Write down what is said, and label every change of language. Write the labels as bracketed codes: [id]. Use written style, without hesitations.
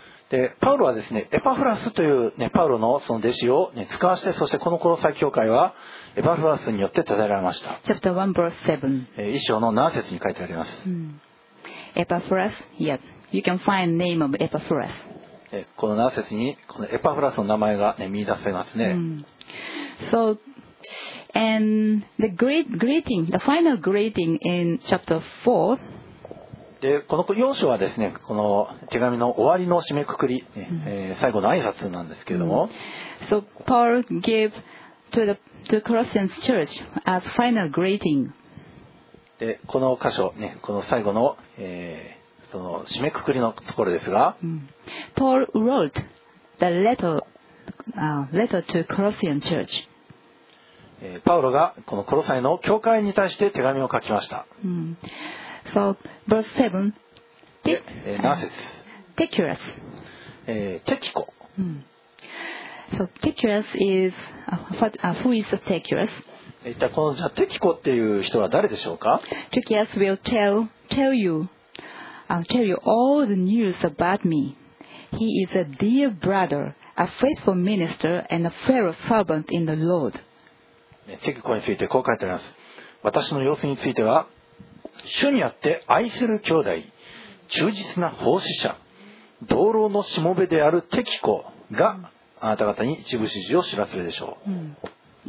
[ja] でパウロはですね、エパフラスという、ね、パウロのその弟子を、ね、使わせて、そしてこのコロサイ教会はエパフラスによって建てられました。 1 章の7節に書いてあります、 [en] エパフラス、yes. You can find name of Epaphras. [ja] この7節にこのエパフラスの名前が、ね、見出せますね。 [en] So, and the greeting, the final greeting in chapter 4. [ja] で、この4章はですね、この手紙の終わりの締めくくり、最後の挨拶なんですけれども。 [en] So, Paul gave to Colossians church as final greeting. [ja] で、この箇所、ね、この最後の、その締めくくりのところですが。 [en] Paul wrote the letter to Colossian church. [ja] パウロがこのコロサイの教会に対して手紙を書きました。 [en] So, verse 7. [ja] 何節？ [en] Tychicus. Tychico. So, Tychicus is who is Tychicus? [ja] 一体このじゃあ Tychicoっていう人は誰でしょうか？ [en] Tychicus will tell you all the news about me. He is a dear brother. A faithful minister and a fellow servant in the Lord. [ja] テキコについてこう書いてあります。私の様子については、主にあって愛する兄弟、忠実な奉仕者、道路のしもべであるテキコがあなた方に一部始終を知らせるでしょう。